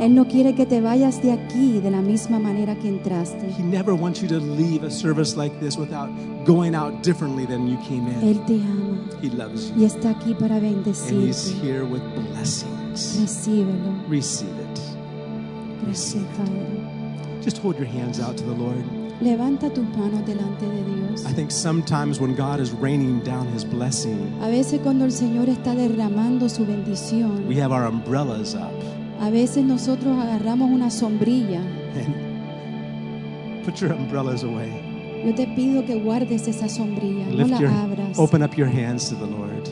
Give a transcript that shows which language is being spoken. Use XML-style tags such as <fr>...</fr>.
<es>Él no quiere que te vayas de aquí de la misma manera que entraste.</es> <en>He never wants you to leave a service like this without going out differently than you came in.</en> <es>Él te ama.</es> <en>He loves you.</en> <es>Y está aquí para bendecirte.</es> <en>And he's here with blessings.</en> <es>Recíbelo.</es> <en>Receive it. Receive it. Just hold your hands out to the Lord.</en> <es>Levanta tus manos delante de Dios.</es> <en>I think sometimes when God is raining down His blessing,</en> <es>a veces cuando el Señor está derramando su bendición,</es> <en>we have our umbrellas up.</en> <es>A veces nosotros agarramos una sombrilla.</es> <en>Put your umbrellas away.</en> <es>Yo te pido que guardes esa sombrilla, no la abras.</es> <en>Open up your hands to the Lord.</en>